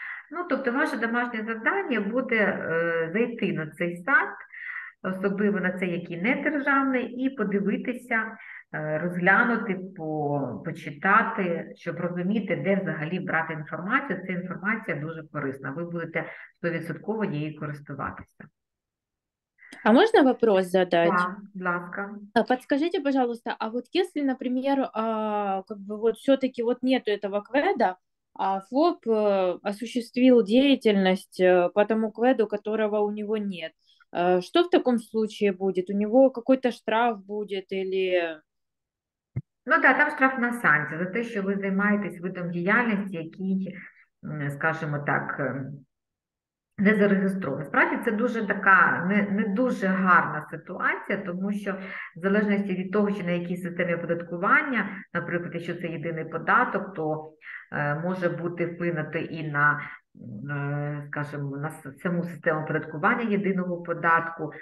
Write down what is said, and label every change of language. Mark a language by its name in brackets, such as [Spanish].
[Ukrainian] Ну, тобто ваше домашнє завдання буде зайти на цей сайт, особливо на цей, який не державний, і подивитися, розглянути, почитати, щоб розуміти, де взагалі брати інформацію. Ця інформація дуже корисна, ви будете 100% її користуватися. [Russian] А можно вопрос задать? [Ukrainian] Да, ласка. [Russian] Подскажите, пожалуйста, а вот если, например, как бы вот все-таки вот нету этого КВЕДа, а ФОП осуществил деятельность по тому КВЕДу, которого у него нет, что в таком случае будет? У него какой-то штраф будет или... [Ukrainian] Ну да, там штрафна санкція за те, що ви займаєтесь видом діяльності, який, скажімо так, не зареєстрований. Справді, це дуже така не дуже гарна ситуація, тому що в залежності від того, чи на якій системі оподаткування, наприклад, якщо це єдиний податок, то може бути вплинути і на, скажімо, на саму систему оподаткування єдиного податку.